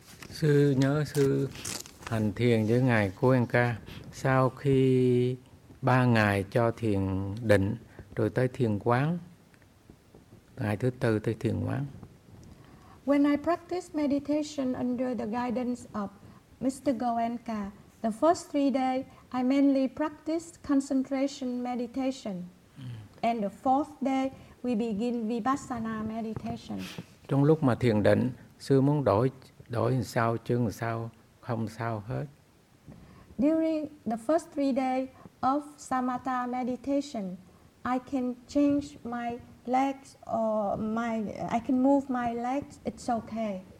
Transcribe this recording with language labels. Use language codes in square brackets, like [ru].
[vi] Sư nhớ sư hành thiền với ngài Kuenka, sau khi ba ngày cho thiền định rồi tới thiền quán, ngày thứ tư tới thiền quán. [en] When I practice meditation under the guidance of Mr. Goenka, the first 3 days, I mainly practice concentration meditation. And the fourth day, we begin Vipassana meditation. [vi] Trong lúc mà thiền định, sư muốn đổi làm sao, chứ làm sao, không sao hết. [en] During the first 3 days of Samatha meditation, I can change my legs or I can move my legs, it's okay.